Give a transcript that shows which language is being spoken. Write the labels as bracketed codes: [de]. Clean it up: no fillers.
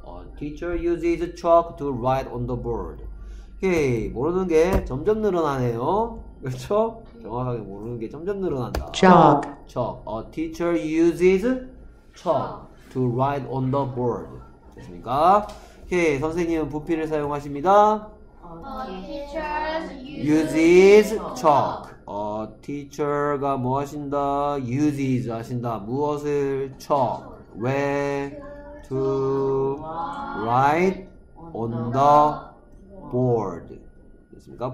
[en] A teacher uses chalk to write on the board. [ko] 오케이, 모르는 게 점점 늘어나네요. 그렇죠? 정확하게 모르는 게 점점 늘어난다. [en] Chalk. Chalk. A teacher uses chalk to write on the board. [ko] 됐습니까? 오케이, 선생님은 분필을 사용하십니다. [en] A teacher uses chalk. [ko] A teacher가 뭐 하신다? Uses 하신다. 무엇을? Chalk. [en] Where? To write on the board. [ko] 됐습니까?